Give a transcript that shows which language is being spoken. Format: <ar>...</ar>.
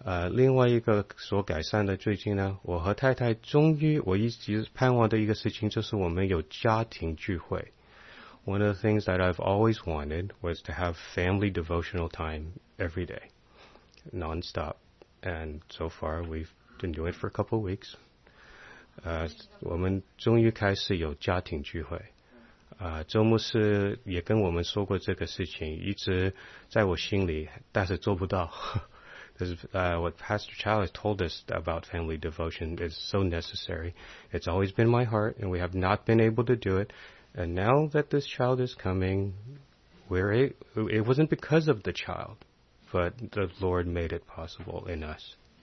<zh>另外一个所改善的最近呢，我和太太终于，我一直盼望的一个事情就是我们有家庭聚会。</zh> <en>One of the things that I've always wanted was to have family devotional time every day, nonstop. And so far, we've been doing it for a couple of weeks.</en> <zh>我们终于开始有家庭聚会。周牧师也跟我们说过这个事情，一直在我心里，但是做不到。</zh> <en>Because what Pastor Chow has told us about family devotion is so necessary. It's always been my heart, and we have not been able to do it. And now that this child is coming, it wasn't because of the child. But the Lord made it possible in us.</en>